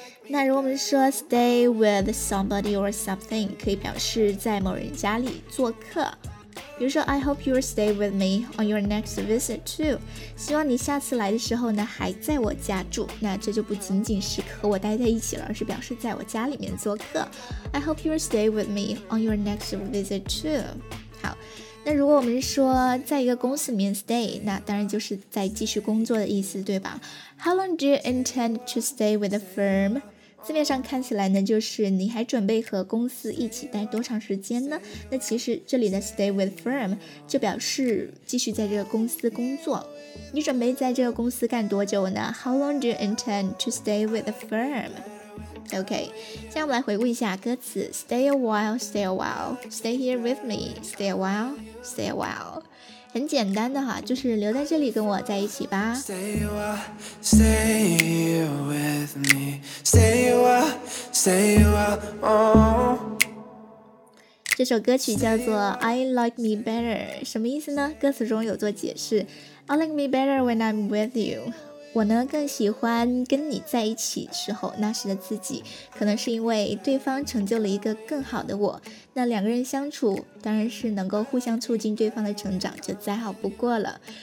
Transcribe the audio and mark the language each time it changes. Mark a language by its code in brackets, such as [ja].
[zh] 那如果我们说 [en] stay with somebody or something， [zh] 可以表示在某人家里做客。比如说 [en] I hope you'll stay with me on your next visit too， [zh] 希望你下次来的时候呢还在我家住，那这就不仅仅是和我待在一起了，而是表示在我家里面做客。 [en] I hope you'll stay with me on your next visit too。 [zh] 好，那如果我们说在一个公司里面 stay， 那当然就是在继续工作的意思，对吧？ [en] How long do you intend to stay with the firm？ [zh] 字面上看起来呢，就是你还准备和公司一起待多长时间呢？那其实这里的 stay with firm 就表示继续在这个公司工作。你准备在这个公司干多久呢？ [en] How long do you intend to stay with the firm? [zh] OK， 现在我们来回顾一下歌词。 [en] Stay a while, stay a while, stay here with me, stay a while, stay a while。 [zh] 很简单的哈，就是留在这里跟我在一起吧。 [en] Stay a while, stay here with me. Stay a while, stay a while, oh. [zh] 这首歌曲叫做 I like me better， 什么意思呢？歌词中有做解释。 [en] I like me better when I'm with you， [zh] 我呢更喜欢跟你在一起时候那时的自己，可能是因为对方成就了一个更好的我，那两个人相处当然是能够互相促进对方的成长，就再好不过了。